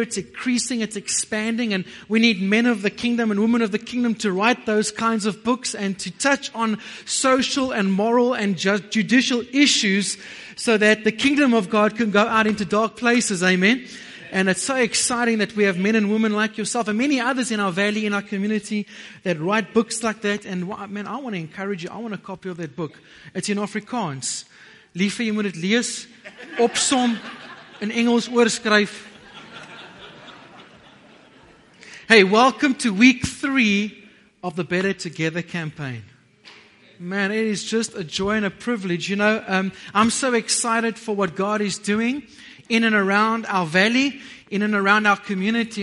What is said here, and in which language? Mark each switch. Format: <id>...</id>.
<en>It's increasing, it's expanding, and we need men of the kingdom and women of the kingdom to write those kinds of books and to touch on social and moral and judicial issues so that the kingdom of God can go out into dark places, amen? And it's so exciting that we have men and women like yourself and many others in our valley, in our community, that write books like that. And man, I want to encourage you. I want a copy of that book. It's in Afrikaans.</en> <af>Liefie, jy moet het lees, opsom, in Engels oorskryf.</af> <en>Hey, welcome to week 3 of the Better Together campaign. Man, it is just a joy and a privilege. You know, I'm so excited for what God is doing in and around our valley, in and around our community.</en>